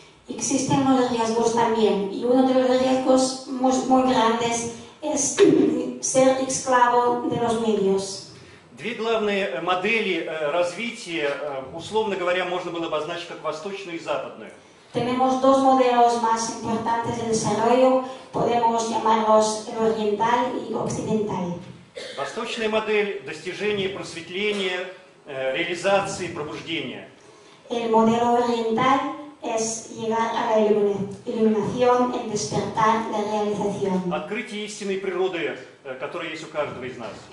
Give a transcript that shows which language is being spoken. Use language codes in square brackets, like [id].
[es] Existen los riesgos también, y uno de los riesgos muy grandes es ser esclavo de los medios. [ru] Две главные модели развития, условно говоря, можно было обозначить как восточную и западную. [es] Tenemos dos modelos más importantes de desarrollo, podemos llamarlos el oriental y occidental. [ru] Восточная модель достижения просветления, реализации, пробуждения. [es] El modelo oriental es llegar a la iluminación, el despertar, la realización. [ru] Открытие истинной природы. Которая есть у каждого из нас.